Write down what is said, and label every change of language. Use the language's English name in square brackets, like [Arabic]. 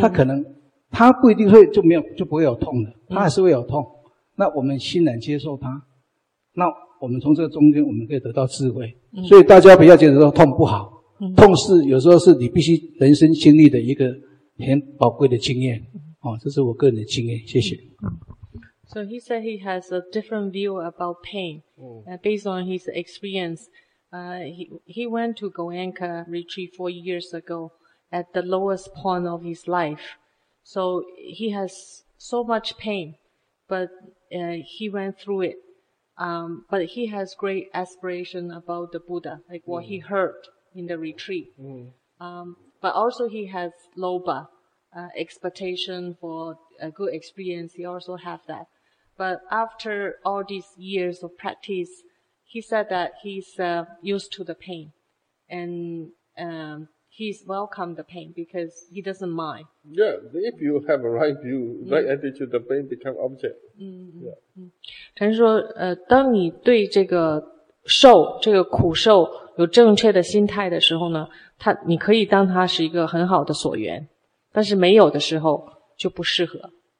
[Chinese] 它可能它不一定会就没有就不会有痛的，它还是会有痛、嗯、那我们欣然接受它，那我们从这个中间我们可以得到智慧、嗯、所以大家不要觉得说痛不好、嗯、痛是有时候是你必须人生经历的一个很宝贵的经验、哦、这是我个人的经验，谢谢。 [English] So he said he has a different view about pain、based on his experience、he went to Goenka retreat 4 years ago at the lowest point of his life, so he has so much pain, but、he went through itbut he has great aspiration about the Buddha, like what、mm-hmm. he heard in the retreat.、 Mm-hmm. But also he has loba, expectation for a good experience. He also have that. But after all these years of practice, he said that he's、used to the pain. And、he's welcomed the pain because he doesn't mind. Yeah, if you have a right view, right、mm-hmm. attitude, the pain become object. [Chinese] 嗯，禅师说，当你对这个受，这个苦受有正确的心态的时候呢，它你可以当它是一个很好的所缘，但是没有的时候就不适合。